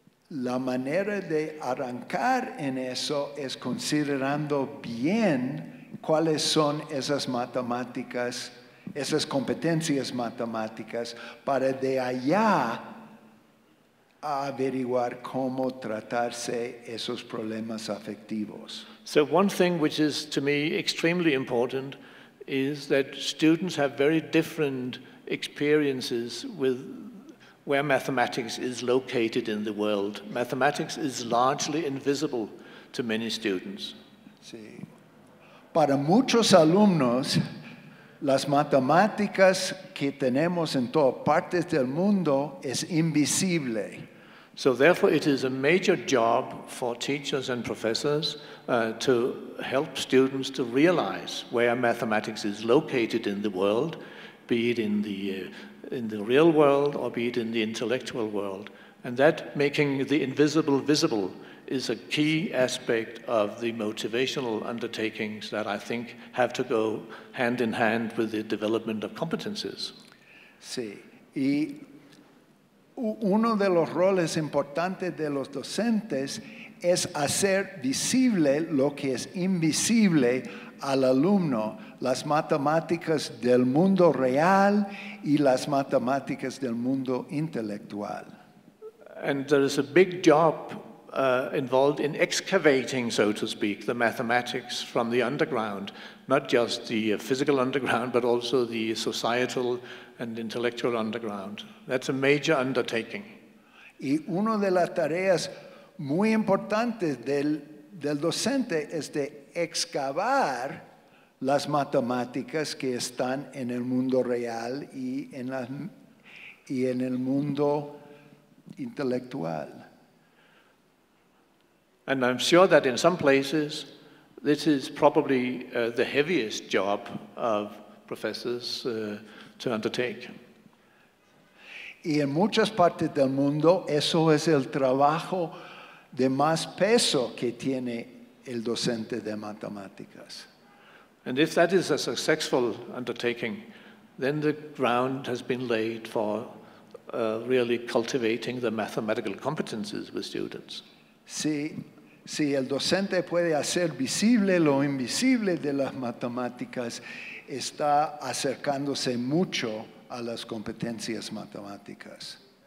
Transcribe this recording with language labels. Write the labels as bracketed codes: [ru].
[es] la manera de arrancar en eso es considerando bien cuáles son esas matemáticas, esas competencias matemáticas, para de allá averiguar cómo tratarse esos problemas afectivos. [en] So one thing which is to me extremely important is that students have very different experiences with where mathematics is located in the world. Mathematics is largely invisible to many students. [es] Sí. Para muchos alumnos, las matemáticas que tenemos en todas partes del mundo es invisible. [en] So therefore, it is a major job for teachers and professors to help students to realize where mathematics is located in the world, be it in the real world or be it in the intellectual world. And that making the invisible visible is a key aspect of the motivational undertakings that I think have to go hand in hand with the development of competences. [es] Sí. Y uno de los roles importantes de los docentes es hacer visible lo que es invisible al alumno, las matemáticas del mundo real y las matemáticas del mundo intelectual. [en] And there is a big job involved in excavating, so to speak, the mathematics from the underground, not just the physical underground, but also the societal and intellectual underground. That's a major undertaking. [es] Y una de las tareas muy importantes del docente es de excavar las matemáticas que están en el mundo real y en el mundo intelectual. [en] And I'm sure that in some places, this is probably the heaviest job of professors to undertake. [es] Y en muchas partes del mundo, eso es el trabajo de más peso que tiene el docente de matemáticas. [en] And if that is a successful undertaking, then the ground has been laid for really cultivating the mathematical competences with students. [es] Si el docente puede hacer visible lo invisible de las matemáticas, está acercándose mucho a las competencias matemáticas.